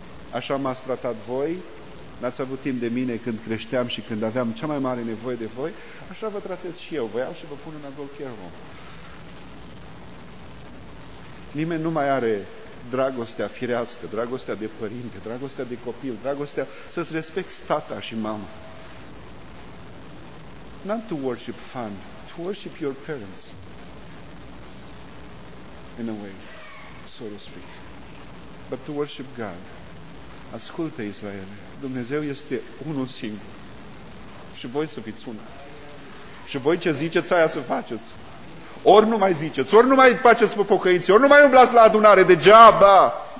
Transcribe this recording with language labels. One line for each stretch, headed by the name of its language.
Romanian: Așa m-ați tratat voi. N-ați avut timp de mine când creșteam și când aveam cea mai mare nevoie de voi. Așa vă tratez și eu. Vă iau și vă pun în
English: adult care home.
Romanian: Nimeni nu mai are dragostea firească, dragostea de părinte, dragostea de copil, dragostea să-ți respecti tata și mama.
English: Not to worship fun. Worship your parents in a way, so to speak, but to worship God.
Romanian: Ascultă, Israele, Dumnezeu este unul singur și voi să fiți una. Și voi ce ziceți aia să faceți. Ori nu mai ziceți, ori nu mai faceți pe pocăiți, ori nu mai umblați la adunare degeaba.